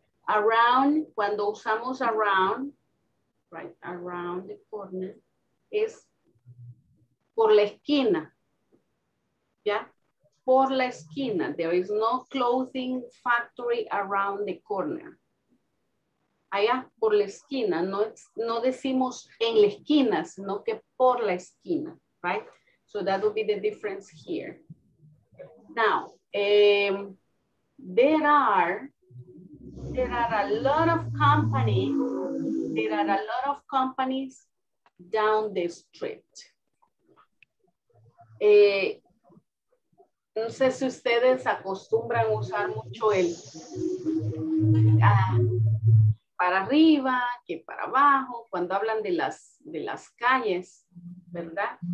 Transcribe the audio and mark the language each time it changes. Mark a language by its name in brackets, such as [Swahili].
[Spanish] Around, cuando usamos [English] around, right, around the corner, [Spanish] es por la esquina. [English] Yeah, [Spanish] por la esquina. [English] There is no clothing factory around the corner. [Spanish] Allá, por la esquina. No, no decimos en la esquina, sino que por la esquina, right? [English] So that would be the difference here. Now, there are a lot of companies. There are a lot of companies down the street. [Spanish] No sé si ustedes acostumbran usar mucho el para arriba, que para abajo, cuando hablan de las calles, ¿verdad?